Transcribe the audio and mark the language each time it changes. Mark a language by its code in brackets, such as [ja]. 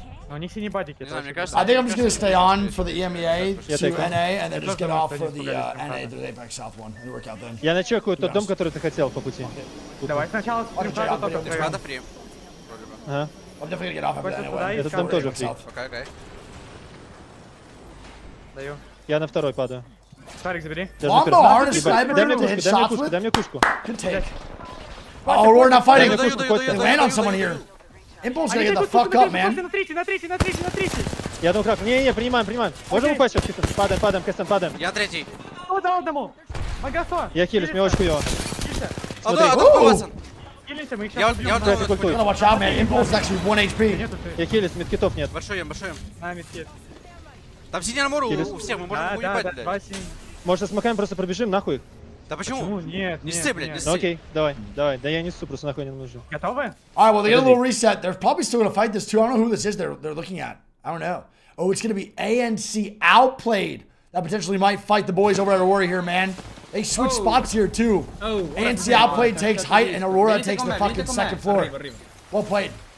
[en] I think I'm just going to stay on for the EMEA to NA and then just get off for the NA to the Apex South one. It'll work out then. [ru] Я начал какой-то дом, который ты хотел по пути. Давай сначала прям сразу потом прям. Надо прям. Ага. [en] I'm definitely going to get off of that anyway. [ru] Этот дом тоже free. [en] Okay. [ru] Даю. Я на второй падаю. Старик, забери. [en] Ломбо, hardest sniper room to hit shots with. [ru] Дай мне кушку. [en] Can take. Oh, we're not fighting. They land on someone here. Impulse is gonna get the fuck up, man. [ru] Я там крафт. Не, принимаем, принимаем. Можем упасть сейчас, Кэстон? Падаем, падаем, Кэстон, падаем. Я третий. Кто дал одному? Магасо. Я хилюсь, мне очень хуёво. Смотри. [en] Я watch out, man. Impulse is actually 1 HP. [ru] Я хилюсь, медкитов нет. Большой ем, большой ем. А, медкит. Там сиди на муру у всех, мы можем уебать, блядь. Может, с маками просто пробежим, нахуй? Да почему? Нет, не ссы, блядь, не ссы. Окей, давай. Да я несу, просто нахуй не нужен. Готовы? [en] Alright, well, they get a little reset. They're probably still gonna fight this too. I don't know who this is they're looking at. I don't know. Oh, it's gonna be ANC outplayed. That potentially might fight the boys over at Aurora here, man. They switch spots here too. Oh, ANC outplayed takes height and Aurora takes the fucking second floor. Well played.